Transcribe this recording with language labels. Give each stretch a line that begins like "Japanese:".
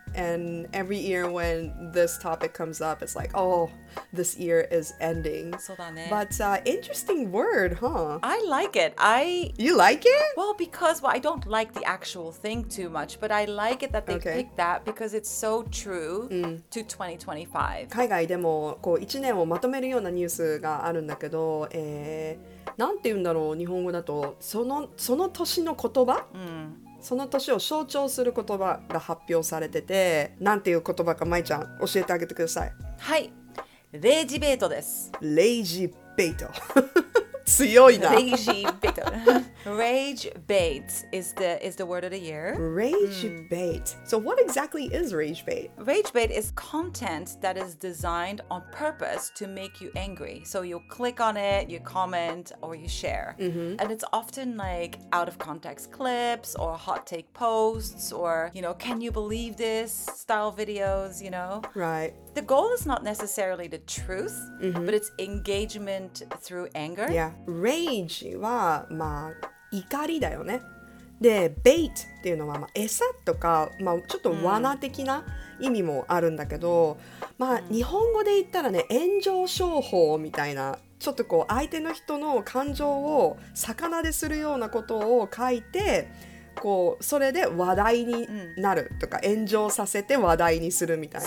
English: And every year when this topic comes up, it's like, oh, this year is ending.
Japanese: そうだね。
English: But interesting word, huh? I like it. You like it? Well, because I don't like the actual thing too much, but I like it that they picked that because it's so true to 2025.
Japanese: 海外でもこう1年をまとめるようなニュースがあるんだけど、なんて言うんだろう、日本語だとその年の言葉、その年を象徴する言葉が発表されてて、なんていう言葉かまいちゃん教えてあげてください。はい、レイジベイトです。レイジベイト強いな。
English: レイジベイト。レイジベイト is the word of the year. レイジベイト。So what exactly is rage bait? Rage bait is content that is designed on purpose to make you angry. So you click on it, you comment, or you share. And it's often like out of context clips or hot take posts or, you know, can you believe this style videos, you know? Right. The goal is not necessarily the truth, but it's engagement through anger.
Japanese: Yeah. Rage はまあ怒りだよね。で、bait っていうのはまあ餌とか、まあ、ちょっと罠的な意味もあるんだけど、まあ日本語で言ったらね、炎上商法みたいな、ちょっとこう相手の人の感情を逆なでするようなことを書いて、こうそれで話題になるとか、炎上させて話題にするみたいな。